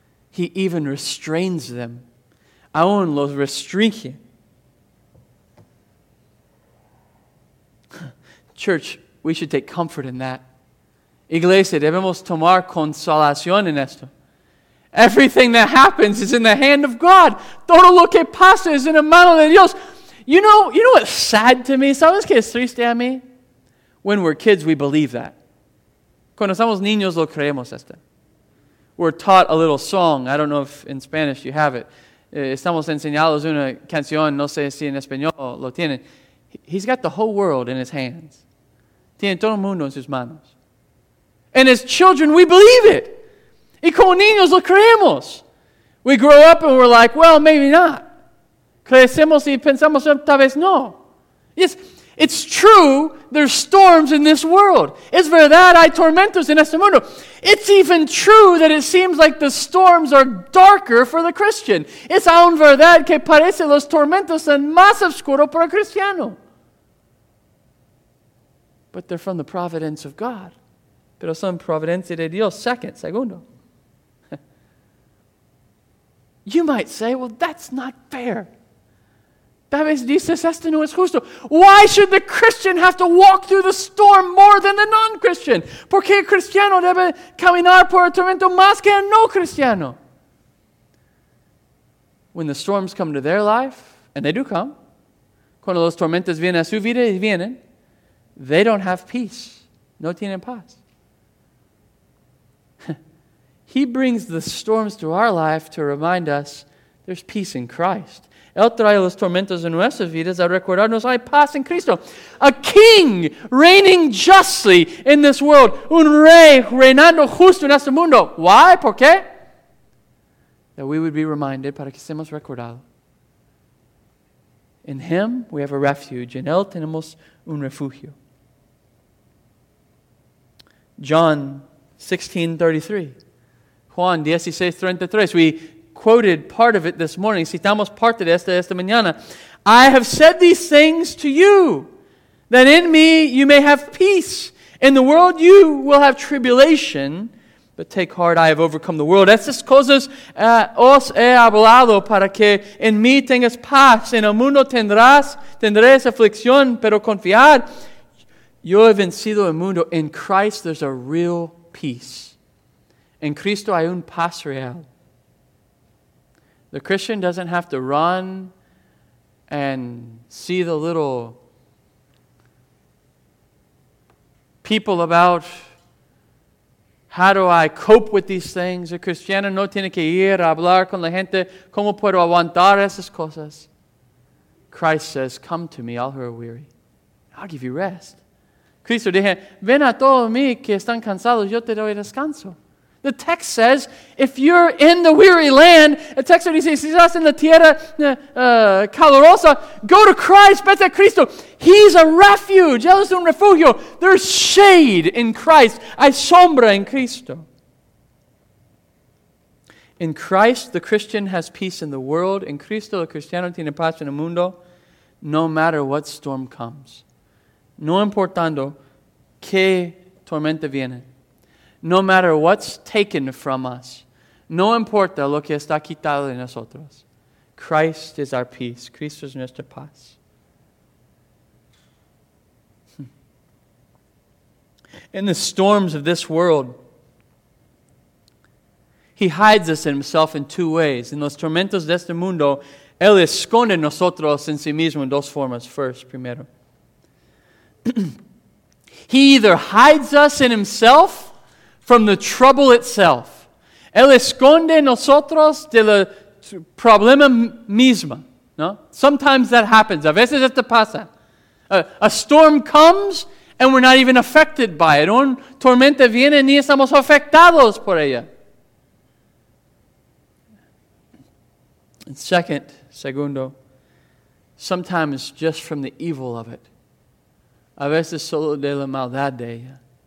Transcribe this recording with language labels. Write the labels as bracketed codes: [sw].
[en] He even restrains them. [es] Aún los restringe. [en] Church, we should take comfort in that. [es] Iglesia, debemos tomar consolación en esto. [en] Everything that happens is in the hand of God. [es] Todo lo que pasa es en la mano de Dios. [en] You know what's sad to me? [es] ¿Sabes qué es triste a mí? [en] When we're kids, we believe that. [es] Cuando somos niños, lo creemos esto. [en] We're taught a little song. I don't know if in Spanish you have it. [es] Estamos enseñados una canción. No sé si en español lo tienen. [en] He's got the whole world in his hands. [es] Tiene todo el mundo en sus manos. [en] And as children, we believe it. [es] Y como niños, lo creemos. [en] We grow up and we're like, well, maybe not. [es] Crecemos y pensamos, tal vez no. [en] Yes, it's true, there's storms in this world. [es] Es verdad, hay tormentos en este mundo. [en] It's even true that it seems like the storms are darker for the Christian. [es] Es aún verdad que parece los tormentos son más oscuros para el cristiano. [en] But they're from the providence of God. [es] Pero son providencia de Dios. Segundo. [en] You might say, well, that's not fair. [es] Tal vez dices, esto no es justo. [en] Why should the Christian have to walk through the storm more than the non-Christian? [es] ¿Por qué el cristiano debe caminar por el tormento más que el no cristiano? [en] When the storms come to their life, and they do come, [es] cuando los tormentos vienen a su vida y vienen, [en] they don't have peace. [es] No tienen paz. [en] He brings the storms to our life to remind us There's peace in Christ. [es] Él trae los tormentos en nuestras vidas a recordarnos hay paz en Cristo. [en] A king reigning justly in this world. [es] Un rey reinando justo en este mundo. [en] Why? [es] ¿Por qué? [en] That we would be reminded, [es] para que seamos recordados. [en] In him, we have a refuge. [es] En él tenemos un refugio. Juan 16:33. [en] We quoted part of it this morning. [es] Citamos parte de esta mañana. [en] I have said these things to you, that in me you may have peace. In the world you will have tribulation, but take heart, I have overcome the world. [es] Estas cosas os he hablado para que en mí tengas paz. En el mundo tendréis aflicción, pero confiad. Yo he vencido el mundo. [en] In Christ, there's a real peace. [es] En Cristo hay un paz real. [en] The Christian doesn't have to run and see the little people about how do I cope with these things. [es] El cristiano no tiene que ir a hablar con la gente. ¿Cómo puedo aguantar esas cosas? [en] Christ says, come to me, all who are weary. I'll give you rest. [es] Cristo dice, ven a todos mí que están cansados, yo te doy descanso. [en] The text says, if you're in the weary land, the text says, [es] si estás en la tierra calurosa, [en] go to Christ, [es] vete a Cristo. [en] He's a refuge, [es] él es un refugio. [en] There's shade in Christ, [es] hay sombra en Cristo. [en] In Christ, the Christian has peace in the world. [es] In Cristo, el cristiano tiene paz en el mundo, [en] no matter what storm comes. [es] No importando qué tormenta viene. [en] No matter what's taken from us. [es] No importa lo que está quitado de nosotros. [en] Christ is our peace. [es] Cristo es nuestra paz. [en] In the storms of this world, he hides us in himself in two ways. [es] En los tormentos de este mundo, él esconde nosotros en sí mismo en dos formas. [en] First, primero. He either hides us in himself from the trouble itself. [es] Él esconde nosotros del problema mismo. ¿No? [en] Sometimes that happens. [es] A veces esto pasa. [en] A storm comes and we're not even affected by it. [es] Un tormenta viene ni estamos afectados por ella. [en] And segundo, sometimes just from the evil of it. [es] A veces solo de la maldad de ella.